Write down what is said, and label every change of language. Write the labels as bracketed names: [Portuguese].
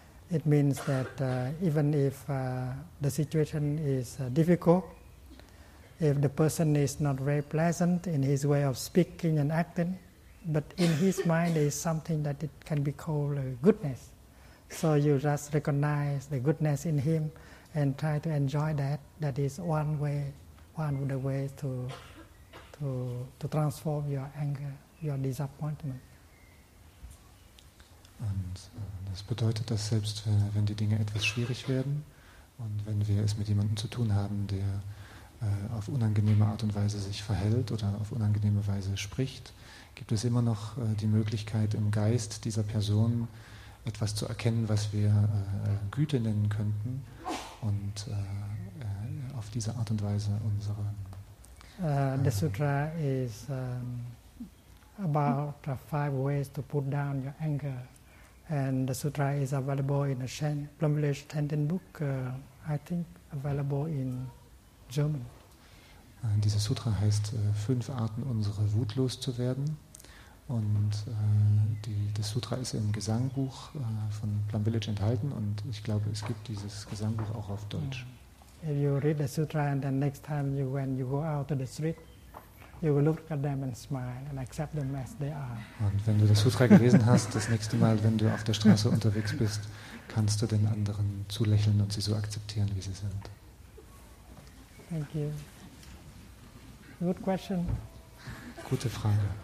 [English] It means that even if the situation is difficult, if the person is not very pleasant in his way of speaking and acting, but in his mind there is something that it can be called goodness. So you just recognize the goodness in him and try to enjoy that. That is one way, one of the ways to transform your anger, your disappointment. [German] Und das bedeutet, dass selbst wenn die Dinge etwas schwierig werden und wenn wir es mit jemandem zu tun haben, der auf unangenehme Art und Weise sich verhält oder auf unangenehme Weise spricht, gibt es immer noch die Möglichkeit, im Geist dieser Person etwas zu erkennen, was wir Güte nennen könnten und auf diese Art und Weise unsere... [English] The Sutra is about five ways to put down your anger. And the sutra is available in a Plumlish Tenten book, I think available in German. [German] Diese Sutra heißt Fünf Arten, unsere Wut loszuwerden. Und das Sutra ist im Gesangbuch von Plum Village enthalten und ich glaube, es gibt dieses Gesangbuch auch auf Deutsch. [English] If you read the sutra and then next time you, when you go out to the street, you will look at them and smile and accept them as they are. [German] Und wenn du das Sutra gelesen hast, das nächste Mal, wenn du auf der Straße unterwegs bist, kannst du den anderen zulächeln und sie so akzeptieren, wie sie sind. [English] Thank you. Good question. [German] Gute Frage.